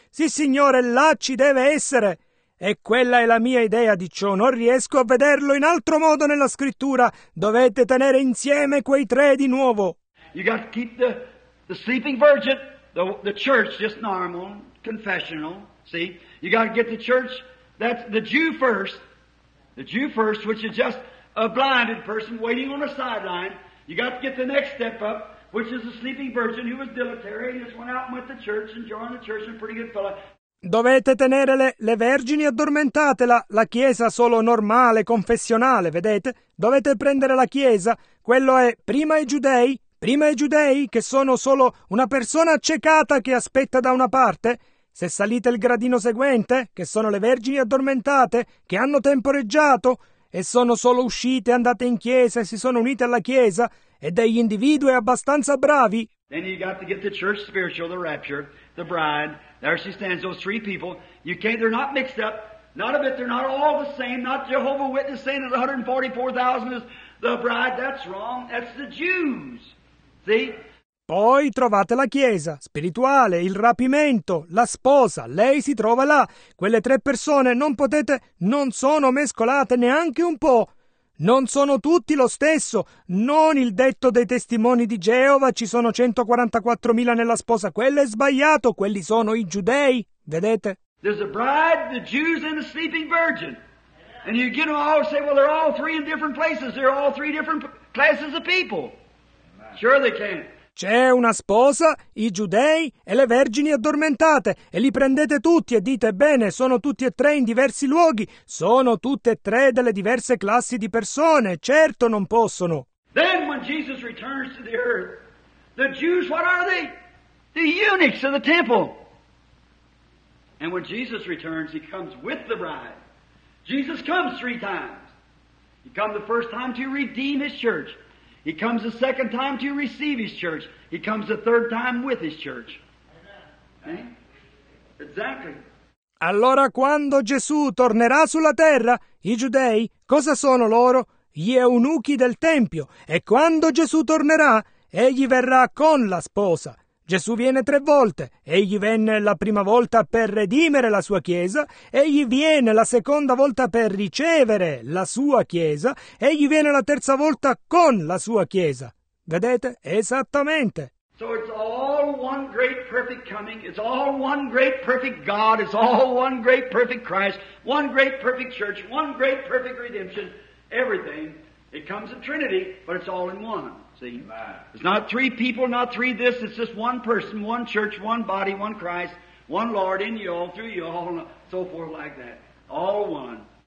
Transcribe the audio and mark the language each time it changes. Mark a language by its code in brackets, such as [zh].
[it] Sì, signore, là ci deve essere. E quella è la mia idea di ciò, non riesco a vederlo in altro modo nella scrittura. Dovete tenere insieme quei tre di nuovo. [en] You got to keep the sleeping virgin. The church, just normal, confessional, see? You got to get the church, that's the Jew first, which is just a blinded person waiting on the sideline. You got to get the next step up, which is a sleeping virgin who was dilatory and just went out and went to church and joined the church and a pretty good fellow. [it] Dovete tenere le vergini addormentate, la chiesa solo normale, confessionale, vedete? Dovete prendere la chiesa, quello è prima i giudei. Prima i giudei, che sono solo una persona accecata che aspetta da una parte. Se salite il gradino seguente, che sono le vergini addormentate, che hanno temporeggiato, e sono solo uscite, andate in chiesa e si sono unite alla chiesa, e degli individui abbastanza bravi. [en] Then you got to get the church spiritual, the rapture, the bride. There she stands, those three people. You can't, they're not mixed up. Not a bit, they're not all the same. Not Jehovah's Witness saying that 144,000 is the bride. That's wrong, that's the Jews. [it] Poi trovate la chiesa, spirituale, il rapimento, la sposa, lei si trova là. Quelle tre persone non potete, non sono mescolate neanche un po'. Non sono tutti lo stesso, non il detto dei testimoni di Geova, ci sono 144,000 nella sposa, quello è sbagliato, quelli sono i giudei, vedete? [en] There's a bride, the Jews and the sleeping virgin. And you get them all and say, well, they're all three in different places, they're all three different classes of people. Sure they can. [it] c'è una sposa, i giudei e le vergini addormentate, e li prendete tutti e dite, bene, sono tutti e tre in diversi luoghi, sono tutte e tre delle diverse classi di persone, certo non possono. [en] Then when Jesus returns to the earth, the Jews, what are they? The eunuchs of the temple. And when Jesus returns, he comes with the bride. Jesus comes three times. He comes the first time to redeem his church. He comes the second time to receive his church. He comes the third time with his church. Amen. Exactly. [it] Allora quando Gesù tornerà sulla terra, i giudei, cosa sono loro? Gli eunuchi del tempio. E quando Gesù tornerà, egli verrà con la sposa. Gesù viene tre volte. Egli venne la prima volta per redimere la sua chiesa. Egli viene la seconda volta per ricevere la sua chiesa. Egli viene la terza volta con la sua chiesa. Vedete? Esattamente. [en] So it's all one great perfect coming. It's all one great perfect God. It's all one great perfect Christ. One great perfect church. One great perfect redemption. Everything. It comes in Trinity, but it's all in one. See, it's not three people, not three this, it's just one person, one church, one body, one Christ, one Lord, in you all, through you all, so forth like that, all one.